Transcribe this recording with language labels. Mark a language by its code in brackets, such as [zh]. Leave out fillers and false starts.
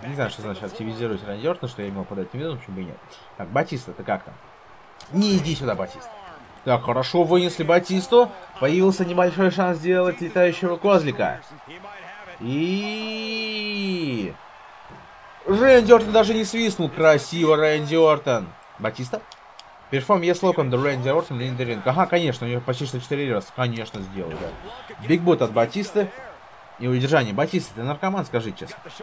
[ru] Не знаю, что значит активизировать Рэнди Ортона, что я имел под этим видом, почему бы и нет. Так, Батиста, ты как там? Не иди сюда, Батиста. Так, хорошо, вынесли Батисту. Появился небольшой шанс сделать летающего козлика. И... Рэнди Ортон даже не свистнул. Красиво, Рэнди Ортон. Батиста? [en] Perform yes lock on the Randy Orton in the ring. [ru] Ага, конечно, у него почти что 4 раза. Конечно, сделаю, да. Big boot от Батисты. И удержание. Батиста, ты наркоман, скажи честно.